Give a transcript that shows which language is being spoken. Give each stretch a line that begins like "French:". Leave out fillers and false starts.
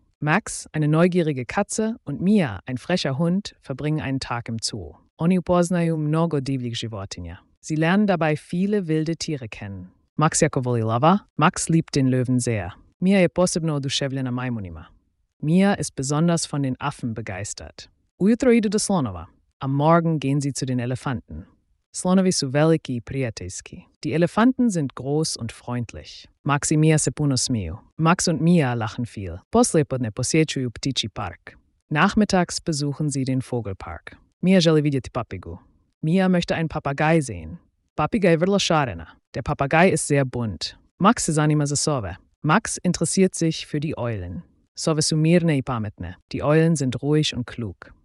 German: Max, eine neugierige Katze, und Mija, ein frecher Hund, verbringen einen Tag im Zoo.
Croatian: Oni upoznaju mnogo divljih životinja.
German: Sie lernen dabei viele wilde Tiere kennen.
Croatian: Max jako voli lava,
German: Max liebt den Löwen sehr.
Croatian: Mija je posebno oduševljena majmunima.
German: Mija ist besonders von den Affen begeistert.
Croatian: Ujutro idu do slonova.
German: Am Morgen gehen sie zu den Elefanten.
Croatian: Slonovi su veliki i prijateljski.
German: Die Elefanten sind groß und freundlich.
Croatian: Max i Mija se puno smiju.
German: Max und Mija lachen viel.
Croatian: Poslijepodne posjećuju ptičji park.
German: Nachmittags besuchen sie den Vogelpark.
Croatian: Mija želi vidjeti papigu.
German: Mija möchte einen Papagei sehen.
Croatian: Papagei vrlo šarena.
German: Der Papagei ist sehr bunt.
Croatian: Max se zanima za sove.
German: Max interessiert sich für die Eulen.
Croatian: Sove su mirne i pametne.
German: Die Eulen sind ruhig und klug.